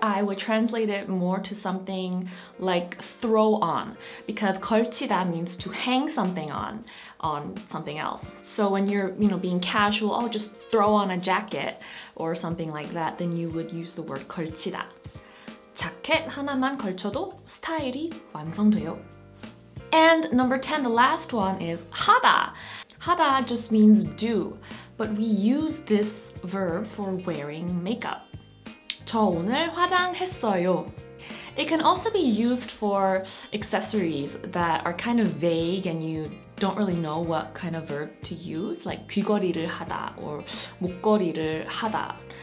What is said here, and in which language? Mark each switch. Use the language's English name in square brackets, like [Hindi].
[English] I would translate it more to something like throw on, because 걸치다 means to hang something on something else. So when you're, you know, being casual, oh, just throw on a jacket or something like that, then you would use the word 걸치다. [Korean] 자켓 하나만 걸쳐도 스타일이 완성돼요. [English] And number 10, the last one is 하다. 하다 just means do, but we use this verb for wearing makeup. [Korean] 저 오늘 화장했어요. [English] It can also be used for accessories that are kind of vague and you don't really know what kind of verb to use, like 귀걸이를 하다 or 목걸이를 하다.